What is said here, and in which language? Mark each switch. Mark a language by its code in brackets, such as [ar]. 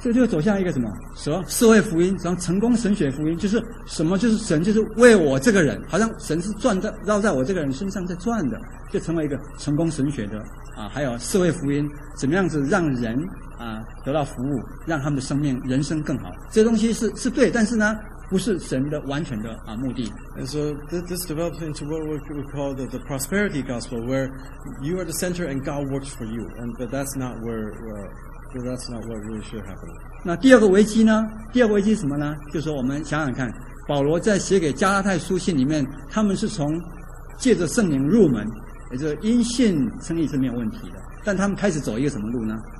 [zh] 这就走向一个什么蛇社会福音，然后成功神学福音，就是什么，就是神，就是为我这个人，好像神是转在绕在我这个人身上在转的，就成为一个成功神学的啊，还有社会福音，怎么样子让人啊得到服务，让他们的生命人生更好，这东西是对，但是呢不是神的完全的目的。 [en] And so this develops into what we call the prosperity gospel, where you are the center and God works for you, but that's not where that's not what really should happen. [zh] 那第二个危机呢，第二个危机是什么呢，就是说我们想想看，保罗在写给加拉太书信里面，他们是从借着圣灵入门，也就是因信称义是没有问题的，但他们开始走一个什么路呢？